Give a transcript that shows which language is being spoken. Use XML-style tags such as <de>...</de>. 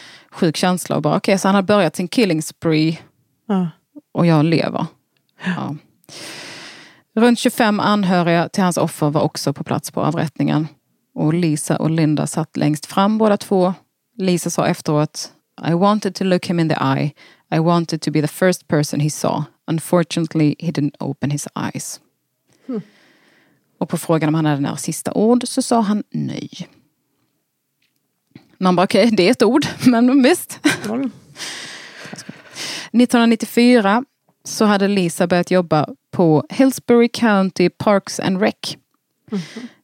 <sv>Sjuk känsla och bara, okej, så han hade börjat sin</sv> <en>killing spree.</en> <sv>Ja. Och jag lever. Ja. Runt 25 anhöriga till hans offer var också på plats på avrättningen. Och Lisa och Linda satt längst fram båda två. Lisa sa efteråt,</sv> <en>I wanted to look him in the eye. I wanted to be the first person he saw. Unfortunately, he didn't open his eyes. Hmm.</en> <sv>Och på frågan om han hade några sista ord så sa han nej. Man bara, okej, det är ett ord, men visst. 1994 så hade Lisa börjat jobba på Hillsborough County Parks and Rec. Mm-hmm.</sv>